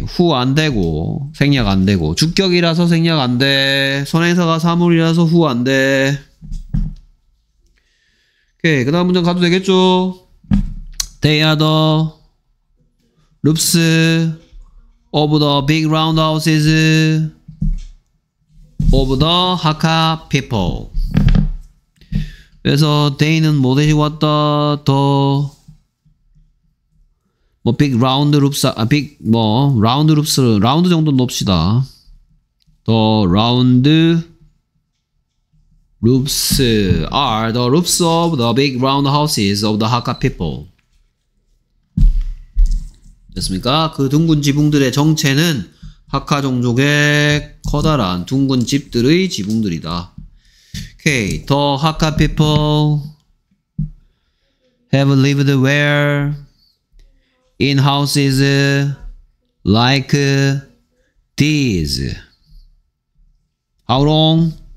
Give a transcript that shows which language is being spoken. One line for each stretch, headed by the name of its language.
Korean: 후 안 되고 생략 안 되고 주격이라서 생략 안 돼. 선행사가 사물이라서 후 안 돼. 오케이. 그 다음 문장 가도 되겠죠.
English: They are the roofs of the big round houses of the Hakka people.
Korean: 그래서 they는 뭐 대신 왔다. 더 뭐 big round roofs, 아 big 뭐 round roofs, 라운드 정도 놉시다.
English: 더 round roofs are the roofs of the big round houses of the Hakka people.
Korean: 됐습니까? 그 둥근 지붕들의 정체는 하카 종족의 커다란 둥근 집들의 지붕들이다.
English: Okay. The Hakka people have lived where? In houses like these. How long?